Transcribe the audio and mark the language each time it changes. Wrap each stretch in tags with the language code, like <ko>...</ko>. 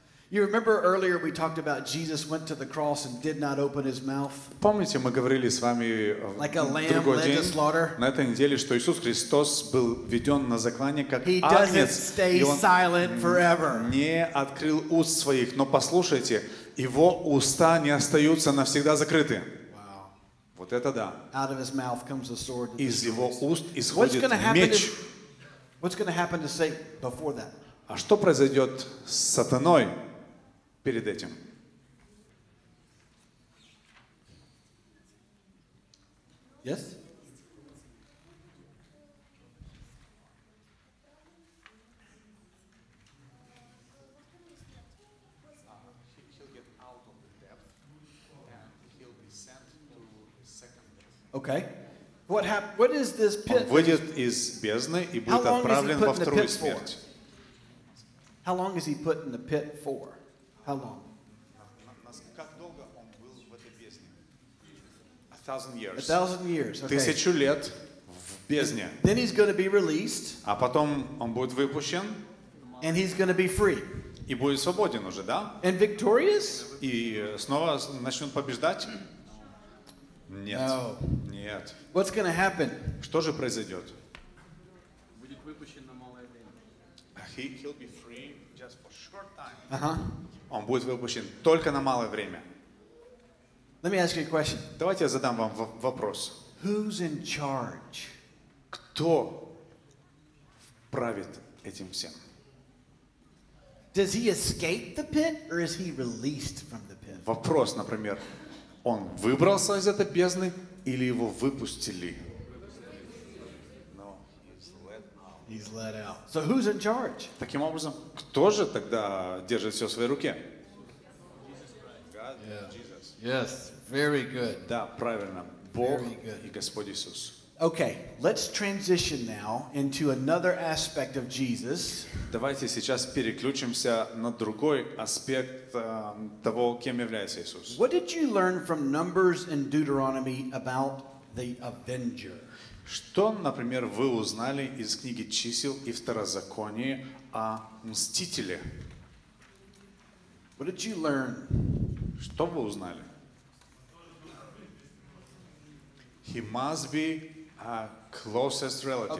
<en>You remember earlier we talked about Jesus went to the cross and did not open his mouth?</en> <ru>Помните, мы говорили с вами в другой день, на этой неделе, что Иисус Христос был введен на заклание как агнец, и Он не открыл уст своих. Но послушайте, Его уста не остаются навсегда закрыты. Вот это да.</ru> <en>Out of his mouth comes a sword.</en> <ru>Из Его уст исходит меч.</ru> <en>What's going to happen to Satan before that?</en> <ru>А что произойдет с сатаной перед этим?</ru> <en>Yes? He'll get out of the depth and he'll be sent to second depth. Okay. What is this pit?</en> <ru>Он выйдет из бездны и будет отправлен во вторую смерть.</ru> <en>How long is he put in the pit for? How long?</en> <ru>Как долго он был в этой бездне?</ru> <en>1,000 years. 1,000 years. Okay.</en> <ru>Тысячу лет в бездне.</ru> <en>Then he's going to be released.</en> <ru>А потом он будет выпущен.</ru> <en>And he's going to be free.</en> <ru>И будет свободен уже, да?</ru> <en>And victorious?</en> <ru>И снова начнет побеждать? Нет.</ru> <en>No.</en> <ru>Нет.</ru> <en>What's going to happen?</en> <ru>Что же произойдет? Будет выпущен на малое время.</ru> <en>He'll be free. Uh-huh.</en> <ru>Он будет выпущен только на малое время.</ru> <en>Let me ask you a question.</en> <ru>Давайте я задам вам вопрос.</ru> <en>Who's in charge?</en> <ru>Кто правит этим всем?</ru> <en>Does he escape the pit or is he released from the pit?</en> <ru>Вопрос, например, он выбрался из этой бездны или его выпустили?</ru> <en>He's let out. So who's in charge?</en> <ru>Таким образом, кто же тогда держит все в своей руке?</ru> <en>God, yeah. Jesus. Yes, very good.</en> <ru>Да, правильно. Бог и Господь Иисус.</ru> <en>Okay, let's transition now into another aspect of Jesus.</en> <ru>Давайте сейчас переключимся на другой аспект того, кем является Иисус.</ru> <en>What did you learn from Numbers and Deuteronomy about the Avenger?</en> <ru>Что, например, вы узнали из книги «Чисел» и «Второзаконии» о Мстителе?</ru> <en>What did you learn?</en> <ru>Что вы узнали?</ru> <en>He must be a closest relative.</en>